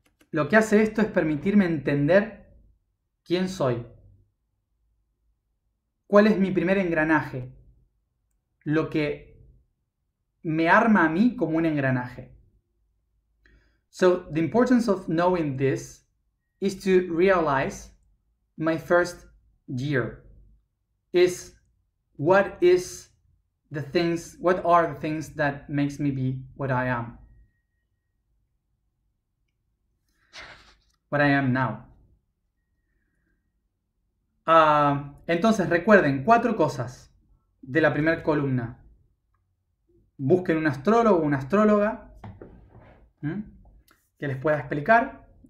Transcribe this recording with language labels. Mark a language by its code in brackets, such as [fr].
[es] Lo que hace esto es permitirme entender quién soy. ¿Cuál es mi primer engranaje? Lo que me arma a mí como un engranaje. [en] So, the importance of knowing this is to realize my first year is what are the things that makes me be what I am, what I am now. [es] Entonces recuerden cuatro cosas de la primera columna. Busquen un astrólogo o una astróloga que les pueda explicar.